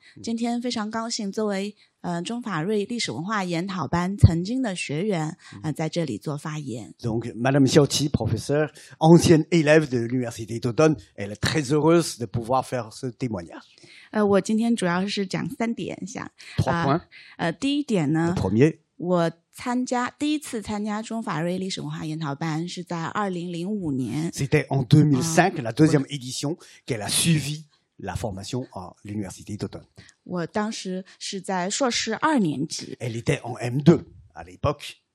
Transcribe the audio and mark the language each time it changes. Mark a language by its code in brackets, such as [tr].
[zh] 好，我就说中文，这是这个，那是还是您来问我，我给你好，就是感谢韦老师帮我翻译。不用感谢。大家好，我是来自华东师范大学的萧琪，今天非常高兴作为。中法瑞历史文化研讨班曾经的学员，在这里做发言。 [fr] Donc, Madame Xiaoqi, professeur, ancienne élève de l'université d'Automne, elle est très heureuse de pouvoir faire ce témoignage. [zh] 我今天主要是讲三点，想。第一点呢。我第一次参加中法瑞历史文化研讨班是在2005年。 [fr] C'était en 2005, la deuxième édition qu'elle a suivi. La formation à l'université d'Automne. [zh] 我当时是在硕士二年级。 [fr] Elle était en M2 à l'époque.